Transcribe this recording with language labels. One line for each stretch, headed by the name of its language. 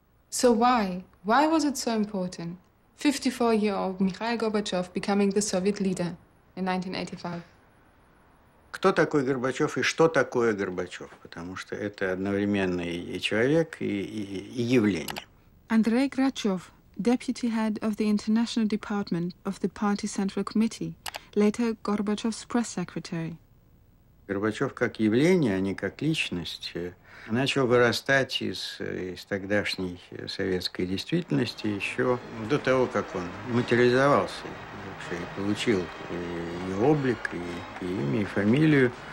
English: So why? Why was it so important? 54-year-old Mikhail Gorbachev becoming the Soviet leader in 1985.
Russian: Кто такой Горбачев и что такое Горбачев? Потому что это одновременно и человек, и явление.
English: Andrei Grachev, deputy head of the International Department of the Party Central Committee, later Gorbachev's press secretary.
Russian: Горбачев как явление, а не как личность, начал вырастать из тогдашней советской действительности еще до того, как он материализовался вообще, и получил и облик, и имя, и фамилию.